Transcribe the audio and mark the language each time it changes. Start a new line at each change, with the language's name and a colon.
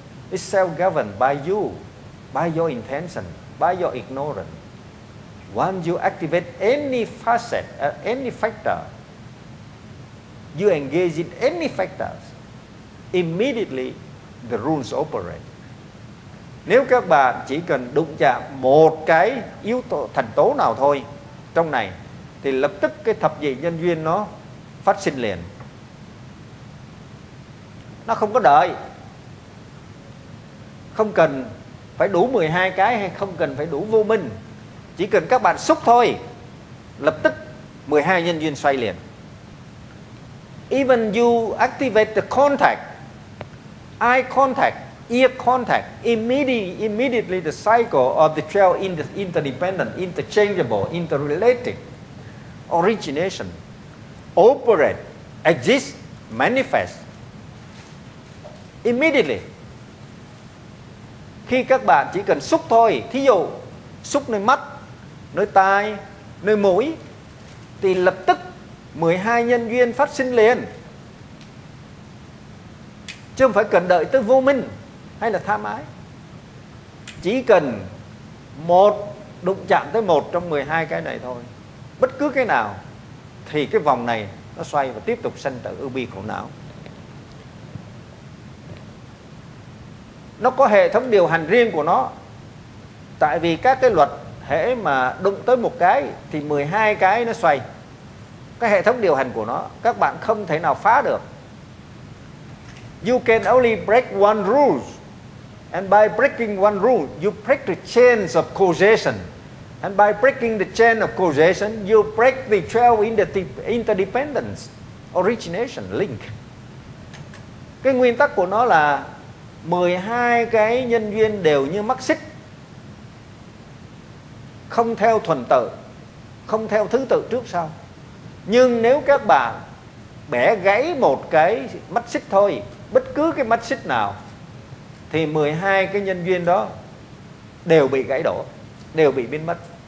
English: It's self-governed by you, by your intention, by your ignorance. Once you activate any facet, any factor, you engage in any factors, immediately the rules operate.
Vietnamese: Nếu các bạn chỉ cần đụng chạm một cái yếu tố, thành tố nào thôi trong này, thì lập tức cái thập nhị nhân duyên nó phát sinh liền. Nó không có đợi, không cần phải đủ 12 cái hay không cần phải đủ vô minh. Chỉ cần các bạn xúc thôi, lập tức 12 nhân duyên xoay liền.
English: Even you activate the contact, eye contact, ear contact, immediately the cycle of the 12 interdependent, interchangeable, interrelated origination operate, exist, manifest. Immediately,
Vietnamese: khi các bạn chỉ cần xúc thôi, thí dụ xúc nơi mắt, nơi tai, nơi mũi, thì lập tức 12 nhân duyên phát sinh liền, chứ không phải cần đợi tới vô minh hay là tham ái. Chỉ cần một đụng chạm tới một trong 12 cái này thôi, bất cứ cái nào, thì cái vòng này nó xoay và tiếp tục sanh tử ưu bi khổ não. Nó có hệ thống điều hành riêng của nó. Tại vì các cái luật hễ mà đụng tới một cái thì 12 cái nó xoay. Cái hệ thống điều hành của nó các bạn không thể nào phá được.
English: You can only break one rule. And by breaking one rule, you break the chains of causation. And by breaking the chain of causation, you break the 12 interdependence, origination, link.
Vietnamese: Cái nguyên tắc của nó là 12 cái nhân duyên đều như mắc xích, không theo thuần tự, không theo thứ tự trước sau. Nhưng nếu các bạn bẻ gãy một cái mắc xích thôi, bất cứ cái mắc xích nào, thì 12 cái nhân duyên đó đều bị gãy đổ, đều bị biến mất.